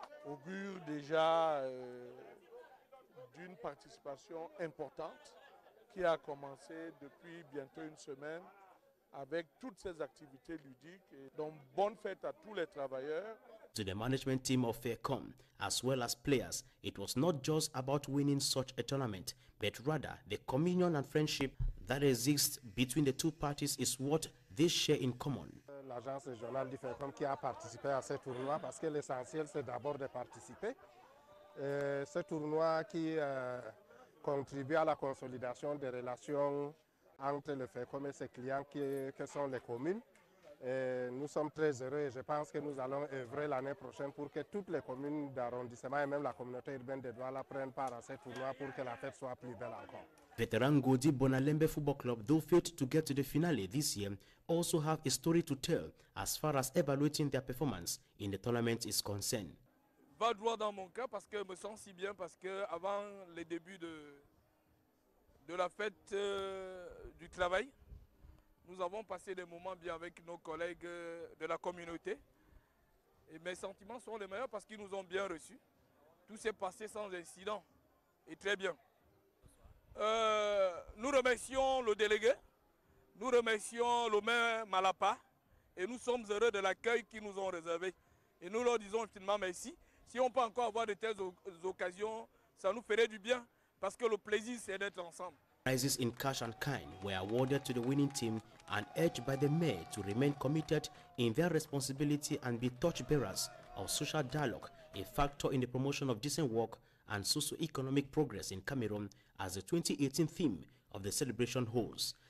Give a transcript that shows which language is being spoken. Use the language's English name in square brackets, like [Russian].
[French] Augure déjà d'une participation importante qui a commencé depuis bientôt une semaine avec toutes ces activités ludiques. Et donc, bonne fête à tous les travailleurs. [English] To the management team of Faircom, as well as players, it was not just about winning such a tournament, but rather the communion and friendship that exists between the two parties is what they share in common. [French] L'agence régionale du Faircom qui a participé à ce tournoi, parce que l'essentiel c'est d'abord de participer. Ce tournoi qui contribue à la consolidation des relations entre le Faircom et ses clients, que sont les communes. Nous sommes très heureux et je pense que nous allons œuvrer l'année prochaine pour que toutes les communes d'arrondissement et même la communauté urbaine de Douala prennent part à ce tournoi pour que la fête soit plus belle encore. [English] Veteran Godi Bonalembe Football Club, though failed to get to the finale this year, also have a story to tell as far as evaluating their performance in the tournament is concerned. [French] Va droit dans mon cas parce que je me sens si bien parce que avant le début de de la fête du travail. Nous avons passé des moments bien avec nos collègues de la communauté. Et mes sentiments sont les meilleurs parce qu'ils nous ont bien reçus. Tout s'est passé sans incident et très bien. Nous remercions le délégué, nous remercions le maire Malapa et nous sommes heureux de l'accueil qu'ils nous ont réservé. Et nous leur disons finalement merci. Si on peut encore avoir de telles occasions, ça nous ferait du bien parce que le plaisir c'est d'être ensemble. [English] Prizes in cash and kind were awarded to the winning team and urged by the mayor to remain committed in their responsibility and be torchbearers of social dialogue, a factor in the promotion of decent work and socio-economic progress in Cameroon, as the 2018 theme of the celebration holds.